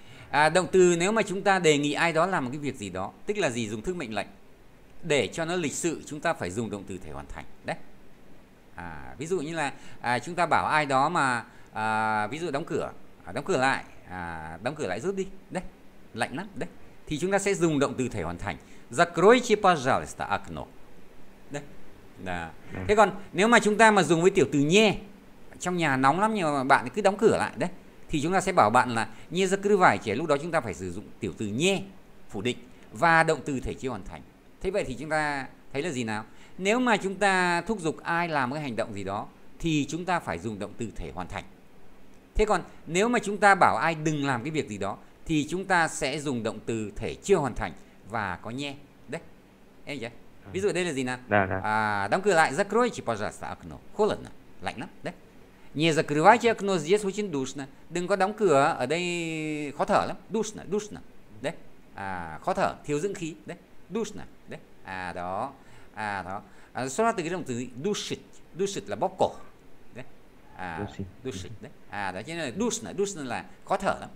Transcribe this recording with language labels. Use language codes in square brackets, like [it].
[vi] À, động từ nếu mà chúng ta đề nghị ai đó làm một cái việc gì đó, tức là gì, dùng thức mệnh lệnh. Để cho nó lịch sự chúng ta phải dùng động từ thể hoàn thành. Đấy. À, ví dụ như là chúng ta bảo ai đó mà ví dụ đóng cửa, đóng cửa lại, đóng cửa lại giúp đi. Đấy. Lạnh lắm, đấy. Thì chúng ta sẽ dùng động từ thể hoàn thành. [ru] Закройте, пожалуйста, окно. [vi] Đà. Thế còn nếu mà chúng ta mà dùng với tiểu từ nhe, trong nhà nóng lắm nhưng mà bạn cứ đóng cửa lại đấy, thì chúng ta sẽ bảo bạn là nhe ra cứ vải trẻ, lúc đó chúng ta phải sử dụng tiểu từ nhe phủ định và động từ thể chưa hoàn thành. Thế vậy thì chúng ta thấy là gì nào? Nếu mà chúng ta thúc giục ai làm cái hành động gì đó thì chúng ta phải dùng động từ thể hoàn thành. Thế còn nếu mà chúng ta bảo ai đừng làm cái việc gì đó thì chúng ta sẽ dùng động từ thể chưa hoàn thành và có nhe. Đấy. Em nhỉ? Ví dụ đây là gì nào? À, đóng cửa lại. [ru] Закройте, пожалуйста, окно. Холодно. [vi] Лạnh lắm. Đấy. [ru] Не закрывайте окно здесь очень душно. [vi] Đừng có đóng cửa ở đây khó thở lắm. [ru] Душно, душно. Đấy. [vi] À, khó thở, thiếu dưỡng khí. Đấy. Душно. Đấy. À đó. À đó. À, xuất phát từ cái động từ душить. Душить là bóp cổ. Đấy. À, Xin. [ru] душить. Đấy. [vi] À đó. Cho nên là душно, душно là khó thở lắm.